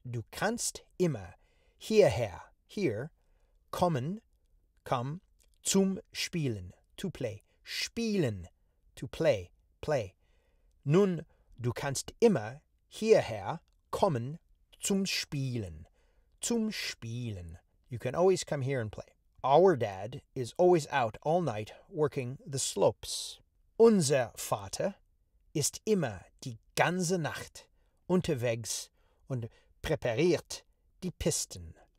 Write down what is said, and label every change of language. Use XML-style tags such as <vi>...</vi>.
<de>Du kannst immer hierher, here, kommen, come, zum Spielen,</de> <en>to play.</en> <de>Spielen,</de> <en>to play, play.</en> <de>Nun, du kannst immer hierher kommen zum Spielen. Zum Spielen.</de> <en>You can always come here and play. Our dad is always out all night working the slopes.</en> <de>Unser Vater ist immer die ganze Nacht unterwegs und präpariert die Pisten.</de>